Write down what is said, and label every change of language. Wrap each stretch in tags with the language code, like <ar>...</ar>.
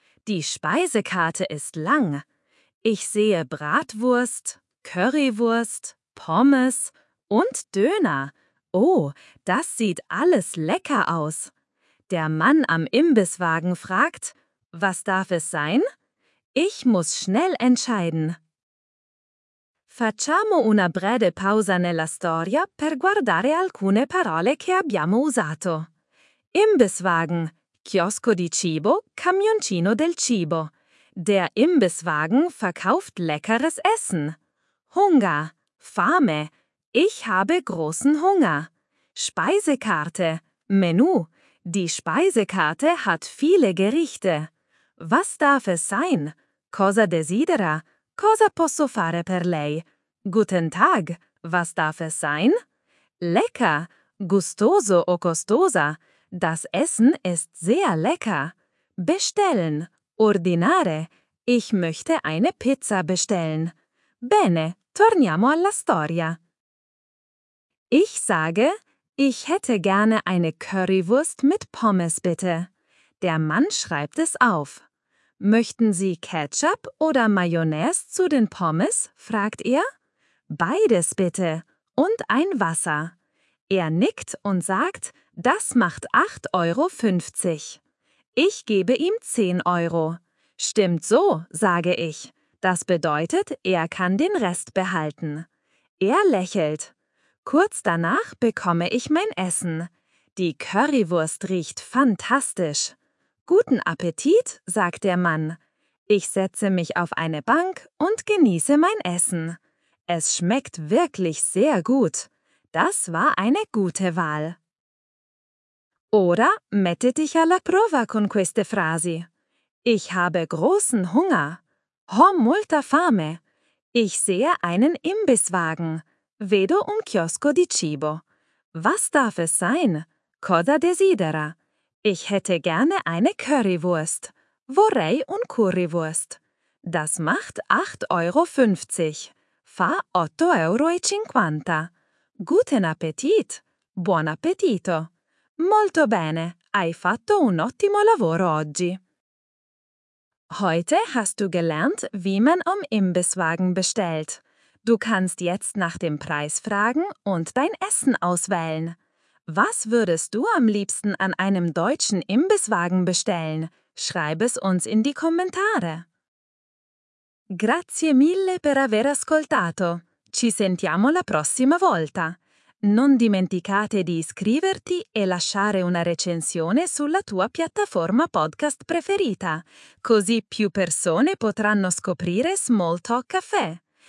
<de>Die Speisekarte ist lang. Ich sehe Bratwurst, Currywurst, Pommes und Döner. Oh, das sieht alles lecker aus. Der Mann am Imbisswagen fragt, was darf es sein? Ich muss schnell entscheiden.</de> <it>Facciamo una breve pausa nella storia per guardare alcune parole che abbiamo usato. Imbisswagen, Chiosco di cibo, Camioncino del cibo.</it> <de>Der Imbisswagen verkauft leckeres Essen. Hunger,</de> <it>Fame,</it> <de>ich habe großen Hunger. Speisekarte, Menü, die Speisekarte hat viele Gerichte. Was darf es sein?</de> <it>Cosa desidera? Cosa posso fare per lei?</it> <de>Guten Tag, was darf es sein? Lecker,</de> <it>gustoso o costosa?</it> <de>Das Essen ist sehr lecker. Bestellen,</de> <it>ordinare.</it> <de>Ich möchte eine Pizza bestellen.</de> <it>Bene, torniamo alla storia.</it> <de>Ich sage, ich hätte gerne eine Currywurst mit Pommes, bitte. Der Mann schreibt es auf. Möchten Sie Ketchup oder Mayonnaise zu den Pommes? Fragt er. Beides, bitte. Und ein Wasser. Er nickt und sagt, das macht 8,50 €. Ich gebe ihm 10 €. Stimmt so, sage ich. Das bedeutet, er kann den Rest behalten. Er lächelt. Kurz danach bekomme ich mein Essen. Die Currywurst riecht fantastisch. Guten Appetit, sagt der Mann. Ich setze mich auf eine Bank und genieße mein Essen. Es schmeckt wirklich sehr gut. Das war eine gute Wahl.</de> <it>Ora mettetici alla prova con queste frasi.</it> <de>Ich habe großen Hunger.</de> <it>Ho molta fame.</it> <de>Ich sehe einen Imbisswagen.</de> <it>Vedo un chiosco di cibo.</it> <de>Was darf es sein?</de> <it>Cosa desidera?</it> <de>Ich hätte gerne eine Currywurst.</de> <it>Vorrei un Currywurst.</it> <de>Das macht 8,50 €.</de> <it>Fa 8,50 €.</it> <de>Guten Appetit.</de> <it>Buon appetito. Molto bene. Hai fatto un ottimo lavoro oggi.</it> <de>Heute hast du gelernt, wie man am Imbisswagen bestellt. Du kannst jetzt nach dem Preis fragen und dein Essen auswählen. Was würdest du am liebsten an einem deutschen Imbisswagen bestellen? Schreib es uns in die Kommentare.</de> <it>Grazie mille per aver ascoltato. Ci sentiamo la prossima volta. Non dimenticate di iscriverti e lasciare una recensione sulla tua piattaforma podcast preferita, così più persone potranno scoprire Small Talk Cafe.</it>